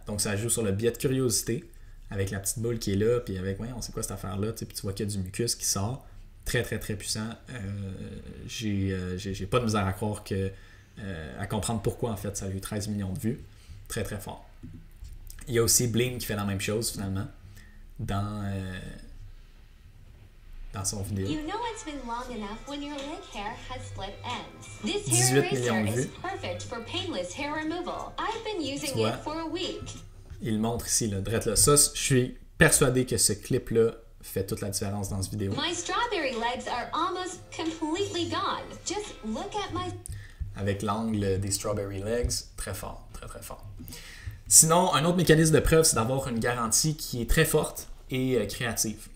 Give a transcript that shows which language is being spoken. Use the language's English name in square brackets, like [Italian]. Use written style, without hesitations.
[French] Donc, ça joue sur le biais de curiosité. Avec la petite boule qui est là, puis avec, ouais, on sait quoi cette affaire-là, tu sais, puis tu vois qu'il y a du mucus qui sort. Très, très, très puissant. J'ai pas de misère à comprendre pourquoi, en fait, ça a eu 13 millions de vues. très très fort. Il y a aussi Blink qui fait la même chose finalement dans dans son vidéo. [English] You know it's been long enough when your leg hair has split ends. This hair eraser is perfect for painless hair removal. I've been using it for a week. [French] Il montre ici le drette là. Ça, je suis persuadé que ce clip là fait toute la différence dans ce vidéo. [English] My strawberry legs are almost completely gone. Just look at my... [French] Avec l'angle des strawberry legs, très fort, très très fort. Sinon, un autre mécanisme de preuve, c'est d'avoir une garantie qui est très forte et créative.